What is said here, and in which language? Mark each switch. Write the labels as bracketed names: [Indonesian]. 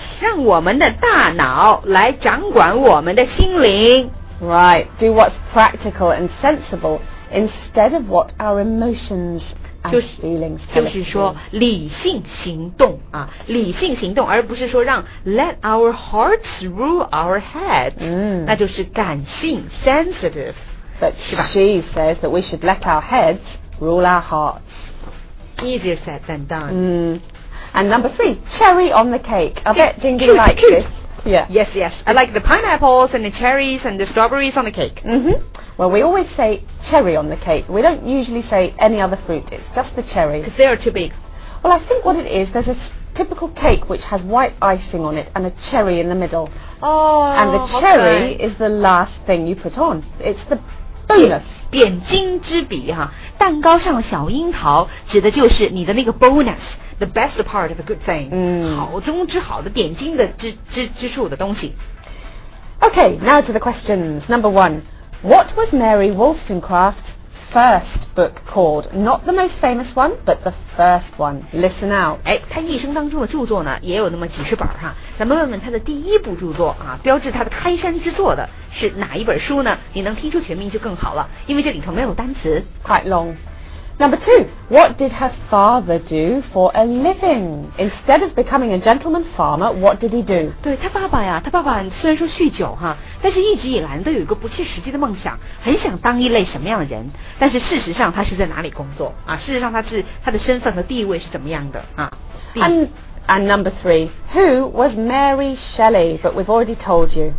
[Chinese] 让我们的大脑来掌管我们的心灵 [English] Right. Do what's practical and sensible instead of what our emotions and feelings tell us. [Chinese] 就是说理性行动啊，理性行动，而不是说让 [English] let our hearts rule our heads. [Chinese] 那就是感性 sensitive. [English] But she says that we should let our heads rule our hearts. Easier said than done. And number three, cherry on the cake. I bet Jingjing likes this. Yeah. Yes, yes. I like the pineapples and the cherries and the strawberries on the cake. Well, we always say cherry on the cake. We don't usually say any other fruit. It's just the cherry. Because they are too big. Well, I think what it is, there's a typical cake which has white icing on it and a cherry in the middle. Oh, and the cherry is the last thing you put on. It's the bonus. [Chinese] 点睛之笔哈，蛋糕上的小樱桃指的就是你的那个 bonus. [English] The best part of a good thing. [Chinese] 好中之好的点睛的之处的东西。 [English] Okay, now to the questions. Number one, what was Mary Wollstonecraft's first book called? Not the most famous one, but the first one. Listen out. [Chinese] 哎，她一生当中的著作呢，也有那么几十本哈。咱们问问她的第一部著作啊，标志她的开山之作的是哪一本书呢？你能听出全名就更好了，因为这里头没有单词。 [English] Quite long. Number two, what did her father do for a living? Instead of becoming a gentleman farmer, what did he do? [Chinese] 对，他爸爸呀，他爸爸虽然说酗酒哈，但是一直以来都有一个不切实际的梦想，很想当一类什么样的人。但是事实上他是在哪里工作啊？事实上他的身份和地位是怎么样的啊？ [English] And number three, who was Mary Shelley? But we've already told you.